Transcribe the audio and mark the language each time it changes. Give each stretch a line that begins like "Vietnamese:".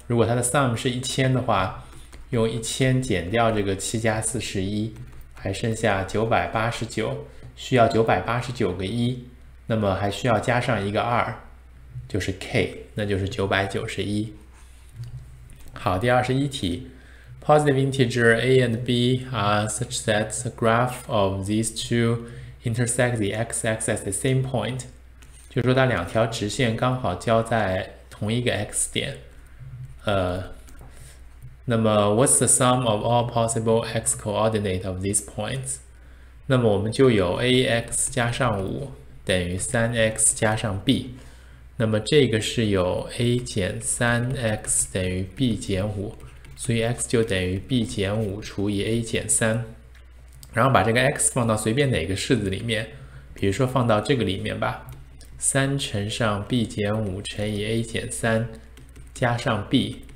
Chinese: 如果它的 sum 是1000的话，用1000减掉这个七加四十一。还剩下989，需要989个一，那么还需要加上一个二，就是 k，那就是991。
English: 好，第21题，positive integer a and b are such that the graph of these two intersect the x-axis at the same point，
Chinese: 就说它两条直线刚好交在同一个 x 点，那么，
English: what's the sum of all possible x coordinate of these points？
Chinese: 那么我们就有 ax 加上5等于 3x 加上 b，那么这个是有 a 减 3x 等于 b 减 5，所以 x 就等于 b 减5除以 a 减3，然后把这个 x 放到随便哪个式子里面，比如说放到这个里面吧，3乘上 b 减5乘以 a 减3加上 b。